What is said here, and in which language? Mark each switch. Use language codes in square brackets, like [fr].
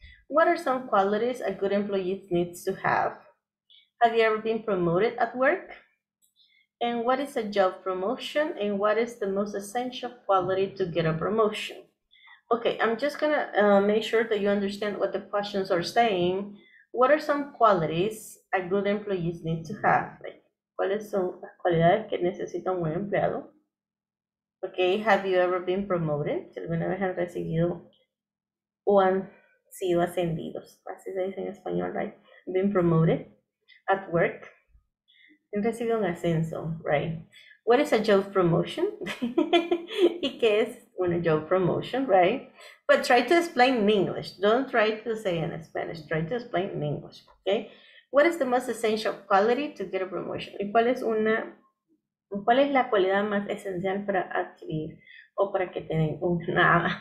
[en] What are some qualities a good employee needs to have? Have you ever been promoted at work? And what is a job promotion? And what is the most essential quality to get a promotion? Okay, I'm just gonna make sure that you understand what the questions are saying. What are some qualities a good employee needs to have? [es] Like, ¿cuáles son las cualidades que necesita un buen empleado? [en] Okay, have you ever been promoted? [es] ¿Si alguna vez han recibido o han sido ascendidos? Así se dice en español, [en] right? Been promoted at work. [es] ¿Han recibido un ascenso, [en] right? What is a job promotion? [es] ¿Y qué es una [en] job promotion, [es] right? [en] But try to explain in English. Don't try to say in Spanish. Try to explain in English, okay? What is the most essential quality to get a promotion? [es] ¿Y cuál es la cualidad más esencial para adquirir o para que te den una?